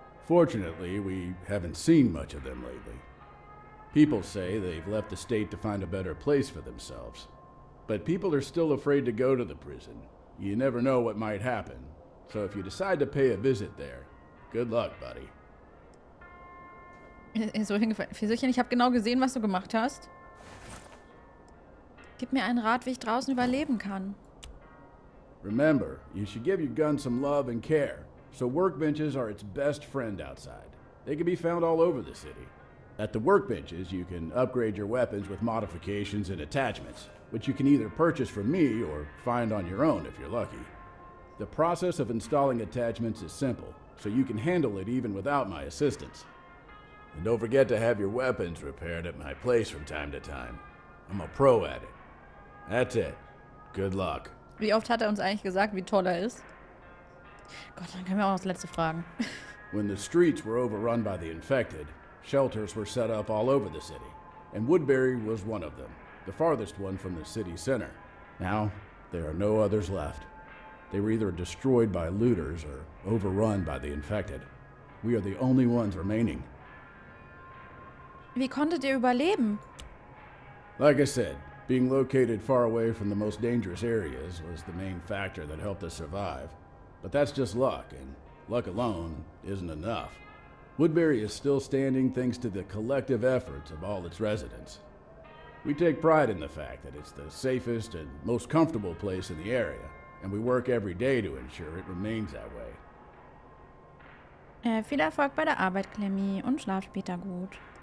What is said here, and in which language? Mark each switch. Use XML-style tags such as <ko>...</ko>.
<en>Fortunately, we haven't seen much of them lately. People say they've left the state to find a better place for themselves. But people are still afraid to go to the prison. You never know what might happen. So if you decide to pay a visit there, good luck, buddy.</en> <de>So hingefallen. Fieselchen, ich habe genau gesehen, was du gemacht hast. Gib mir einen Rat, wie ich draußen überleben kann.</de> <en>Remember, you should give your gun some love and care. So workbenches are its best friend outside. They can be found all over the city. At the workbenches, you can upgrade your weapons with modifications and attachments, which you can either purchase from me or find on your own if you're lucky. The process of installing attachments is simple, so you can handle it even without my assistance. And don't forget to have your weapons repaired at my place from time to time. I'm a pro at it. That's it. Good luck.</en> <de>Wie oft hat uns eigentlich gesagt, wie toll ist? Gott, dann können wir auch das letzte fragen.</de> <en>When the streets were overrun by the infected, shelters were set up all over the city, and Woodbury was one of them, the farthest one from the city center. Now, there are no others left. They were either destroyed by looters or overrun by the infected. We are the only ones remaining.</en> <de>Wie konntet ihr überleben?</de> <en>Like I said, being located far away from the most dangerous areas was the main factor that helped us survive. But that's just luck, and luck alone isn't enough. Woodbury is still standing thanks to the collective efforts of all its residents. We take pride in the fact that it's the safest and most comfortable place in the area, and we work every day to ensure it remains that way.</en> <de>Viel Erfolg bei der Arbeit, Clemmy, und schlaf später gut.</de>